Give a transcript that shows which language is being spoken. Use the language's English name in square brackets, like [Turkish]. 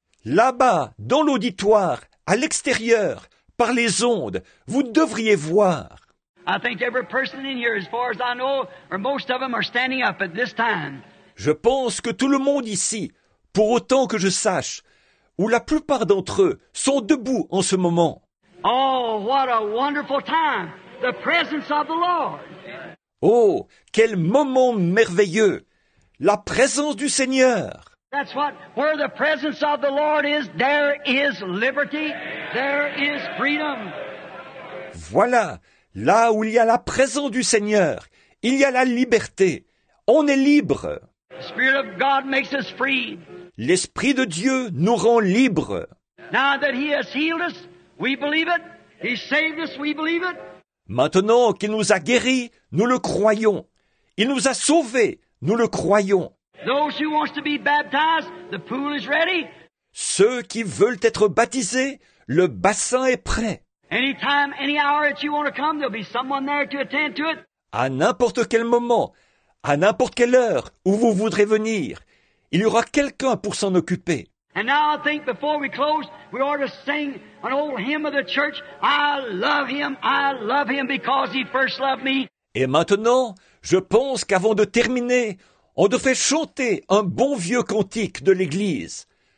[French] Là-bas, dans l'auditoire, à l'extérieur, par les ondes, vous devriez voir. [English] I think every person in here, as far as I know, or most of them are standing up at this time. [French] Je pense que tout le monde ici, pour autant que je sache, ou la plupart d'entre eux, sont debout en ce moment. [English] Oh, what a wonderful time! The presence of the Lord. [French] Oh, quel moment merveilleux! La présence du Seigneur. [English] That's what, where the presence of the Lord is, there is liberty, there is freedom. [French] Voilà. Là où il y a la présence du Seigneur, il y a la liberté. On est libre. [English] Spirit of God makes us free. [French] L'Esprit de Dieu nous rend libres. [English] Now that he has healed us, we believe it. He saved us, we believe it. [French] Maintenant qu'il nous a guéris, nous le croyons. Il nous a sauvés, nous le croyons. [English] Those who want to be baptized, the pool is ready. [French] Ceux qui veulent être baptisés, le bassin est prêt. [English] Anytime, any hour that you want to come, there'll be someone there to attend to it. [French] À n'importe quel moment, à n'importe quelle heure où vous voudrez venir, il y aura quelqu'un pour s'en occuper. [English] And now I think before we close, we ought to sing an old hymn of the church. I love him because he first loved me. [French] Et maintenant, je pense qu'avant de terminer, on devrait chanter un bon vieux cantique de l'église.